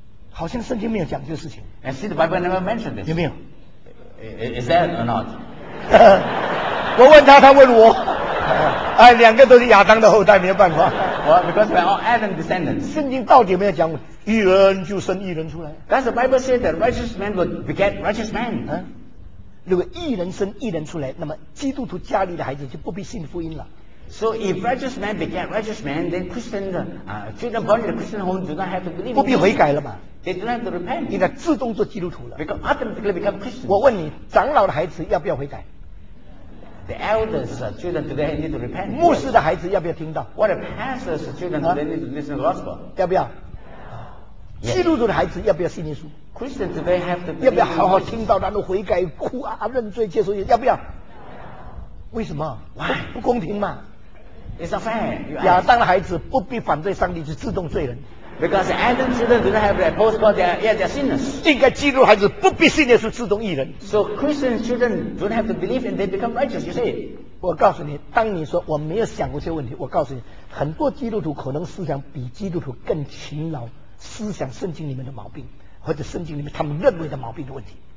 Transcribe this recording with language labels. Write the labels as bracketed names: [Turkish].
[Chinese] 好像圣经没有讲这个事情。 [English] And see, the Bible never mentioned this. [Chinese] 有没有？ [English] Is that or not? [Chinese] 我问他，他问我。哎，两个都是亚当的后代，没有办法。 [English] Well, because we're all Adam descendants. [Chinese] 圣经到底有没有讲义人就生义人出来 [English] ？That's the Bible said that righteous man will beget righteous man. [Chinese] 如果义人生义人出来，那么基督徒家里的孩子就不必信福音了。 [English] So if righteous man beget righteous man, then Christian children born in the Christian home do not have to believe. [Chinese] 不必悔改了嘛 [English] ？They do not have to repent. [Chinese] 应该自动做基督徒了。 [English] Because automatically become Christian. [Chinese] 我问你，长老的孩子要不要悔改 [English] ？The elders children do they need to repent? [Chinese] 牧师的孩子要不要听到 [English] ？What a pastor's children do they need to listen to the gospel? [Chinese] 要不要？ Yes. 基督徒的孩子要不要信耶稣 [English] ？Christian do they have to？ [Chinese] 要不要好好听到，然后悔改、哭啊、认罪、接受耶稣？要不要？为什么 [English] ？Why？ [Chinese] 不公平嘛？ [English] It's a fair. [Chinese] 亚当的孩子不必反对上帝，是自动罪人。 [English] Because Adam's children do not have the post God, they're sinners. [Chinese] 应该基督徒孩子不必信耶稣，自动义人。 [English] So Christian children do not have to believe and they become righteous. You see? [Chinese] 我告诉你，当你说我没有想过这个问题，我告诉你，很多基督徒可能思想比基督徒更勤劳，思想圣经里面的毛病，或者圣经里面他们认为的毛病的问题。